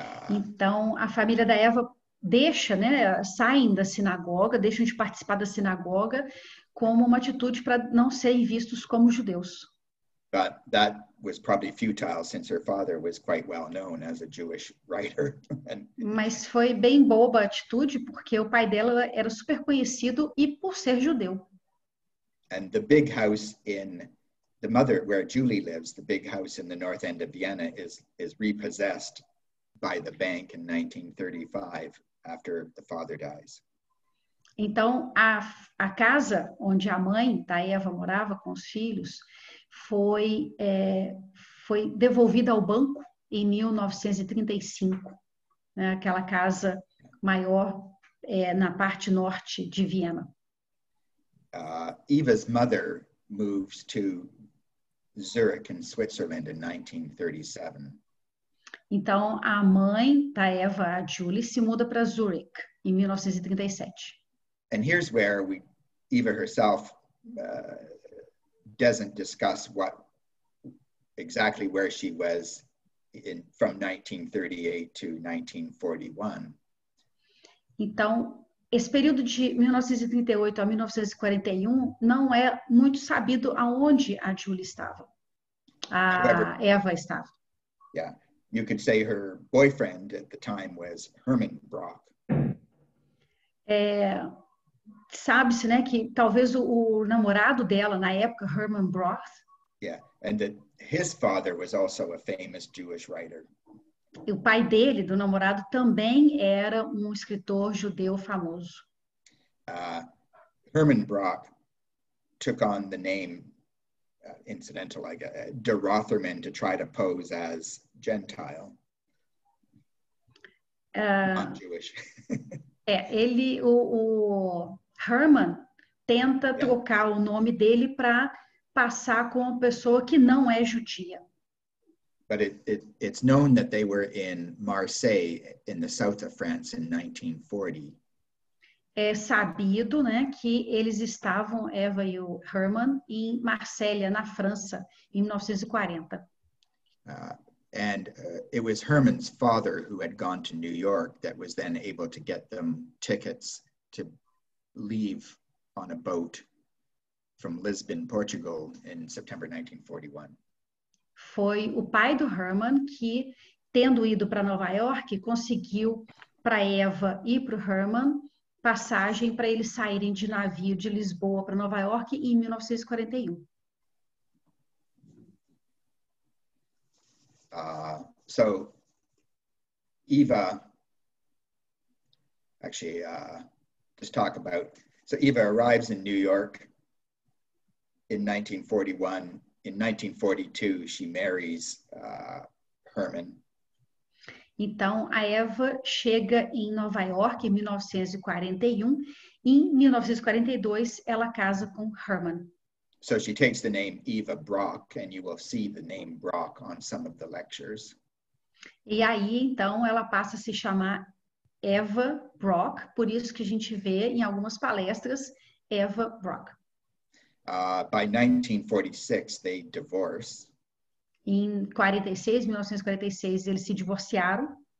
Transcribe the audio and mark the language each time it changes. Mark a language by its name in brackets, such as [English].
[Portuguese] Então, a família da Eva deixa, né, saem da sinagoga, deixam de participar da sinagoga como uma atitude para não serem vistos como judeus. [English] But that was probably futile since her father was quite well known as a Jewish writer. [Portuguese] Mas foi bem boba a atitude porque o pai dela era super conhecido e por ser judeu. [English] And the big house in the mother, where Julie lives, the big house in the north end of Vienna is repossessed by the bank in 1935 after the father dies. [Portuguese] Então, a casa onde a mãe da Eva morava com os filhos foi devolvida ao banco em 1935, né? Aquela casa maior na parte norte de Viena. [English] Eva's mother moves to Zurich in Switzerland in 1937. [Portuguese] Então, a mãe da Eva, a Julie, se muda para Zurich em 1937. [English] And here's where Eva herself doesn't discuss what exactly where she was in from 1938 to 1941. [Portuguese] Então, esse período de 1938 a 1941 não é muito sabido aonde a Julie estava. Eva estava. [English] Yeah, you could say her boyfriend at the time was Hermann Brock. [Portuguese] Sabe-se, né, que talvez o namorado dela na época, Hermann Brock. [English] Yeah, and that his father was also a famous Jewish writer. [Portuguese] E o pai dele, do namorado, também era um escritor judeu famoso. [English] Hermann Brock took on the name. Incidental, like De Rothermann, to try to pose as Gentile, non-Jewish. [Portuguese] o Hermann tenta trocar o nome dele para passar como uma pessoa que não é judia. [English] But it's known that they were in Marseille in the south of France in 1940. [Portuguese] sabido, né, que eles estavam, Eva e o Herman, em Marselha, na França, em 1940. [English] It was Herman's father who had gone to New York that was then able to get them tickets to leave on a boat from Lisbon, Portugal, in September 1941. [Portuguese] Foi o pai do Herman que, tendo ido para Nova York, conseguiu para Eva e para o Herman passagem para eles saírem de navio de Lisboa para Nova York em 1941. [English] So, Eva, actually, just talk about, so Eva arrives in New York in 1941. In 1942, she marries Herman. [Portuguese] Então, a Eva chega em Nova York em 1941. Em 1942, ela casa com Herman. [English] So she takes the name Eva Brock, and you will see the name Brock on some of the lectures. [Portuguese] E aí, então, ela passa a se chamar Eva Brock, por isso que a gente vê em algumas palestras Eva Brock. [English] By 1946, they divorce. [Portuguese] Em 1946, eles se divorciaram.